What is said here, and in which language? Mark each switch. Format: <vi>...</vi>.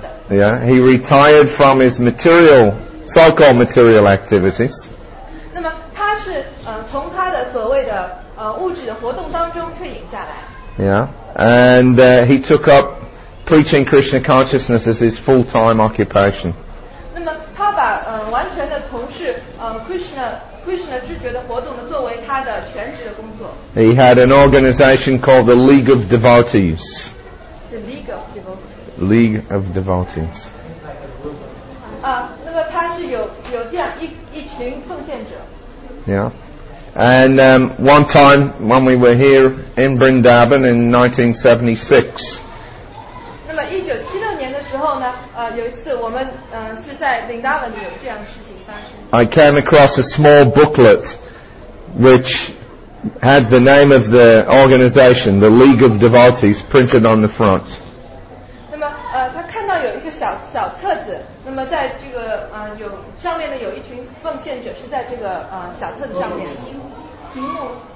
<en>Yeah, he retired from his material, so-called material activities.</en> <zh>那么他是从他的所谓的物质的活动当中退隐下来。</zh> <en>Yeah, and he took up preaching Krishna consciousness as his full-time occupation.</en> <zh>那么他把完全的从事Krishna 知觉的活动呢作为他的全职的工作。</zh> <en>He had an organization called the League of Devotees. The League of Devotees. League of Devotees.</en> <zh>那么他是有这样一群奉献者。</zh> <en>Yeah, and one time when we were here in Vrindavan in 1976.</en> <zh>那么1976年的时候呢，有一次我们是在 Vrindavan 有这样的事情发生。</zh> <en>I came across a small booklet which had the name of the organization, the League of Devotees, printed on the front.</en> <zh>那么他看到有一个小册子。那么在这个有上面的有一群奉献者是在这个小册子上面题目。</zh>